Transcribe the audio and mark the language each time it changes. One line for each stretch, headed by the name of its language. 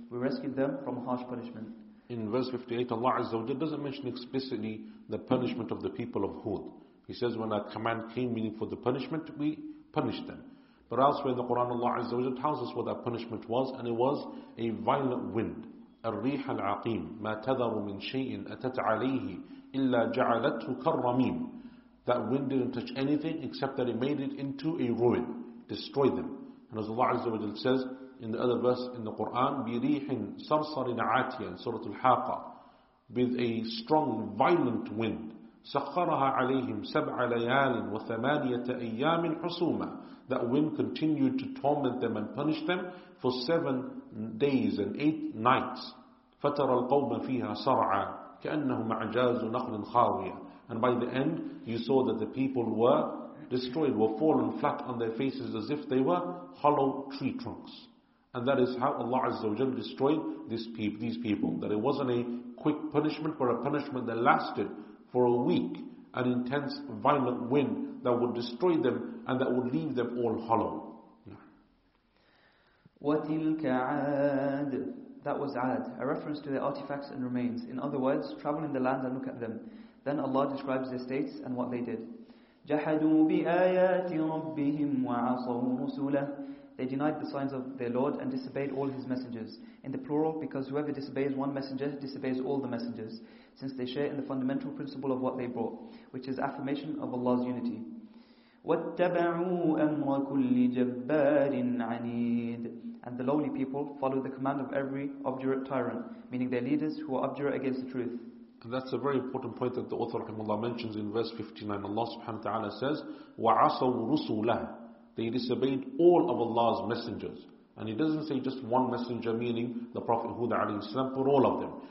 English: We rescued them from harsh punishment. In verse 58, Allah Azza wa Jalla doesn't mention explicitly the punishment of the people of Hood. He says, when our command came, meaning for the punishment, we punished them. But elsewhere in the Quran, Allah Azza wa Jalla tells us what that punishment was, and it was a violent wind.
Arabic: الريح العقيم ما تذر من شيء أتت عليه إلا جعلته كالرميم.
English: That wind didn't touch anything except that it made it into a ruin, destroyed them. And as Allah Azza wa Jalla says in the other verse in the Quran,
Arabic: بريح صرصر عاتية,
English: in Surah Al-Haqa, with a strong, violent wind.
Arabic: سخرها عليهم سبع ليال وثمانية أيام حصوما.
English: That wind continued to torment them and punish them for 7 days and 8 nights.
Arabic: فترى القوم فيها صرعا كأنهم أعجاز نخل خاوية.
English: And by the end, you saw that the people were destroyed, were fallen flat on their faces as if they were hollow tree trunks. And that is how Allah Azza wa Jalla destroyed these people. That it wasn't a quick punishment, but a punishment that lasted for a week. An intense, violent wind that would destroy them and that would leave them all hollow.
Arabic: وَتِلْكَ عَادٍ.
English: That was Ad, a reference to their artifacts and remains. In other words, travel in the land and look at them. Then Allah describes their states and what they did.
Arabic: جَحَدُوا بِآيَاتِ رَبِّهِمْ وَعَصَوْا رُسُولَهُ.
English: They denied the signs of their Lord and disobeyed all his messengers. In the plural, because whoever disobeys one messenger, disobeys all the messengers, since they share in the fundamental principle of what they brought, which is affirmation of Allah's unity.
Arabic: وَاتَّبَعُوا أَمْرَ كُلِّ جَبَّارٍ عَنِيدٍ.
English: And the lowly people followed the command of every obdurate tyrant, meaning their leaders who are obdurate against the truth. And that's a very important point that the author rahimahullah mentions in verse 59. Allah subhanahu wa ta'ala says,
Arabic: وَعَصَوْا رُسُولَهُ.
English: They disobeyed all of Allah's messengers. And he doesn't say just one messenger, meaning the Prophet Hud alayhi salam, but all of them.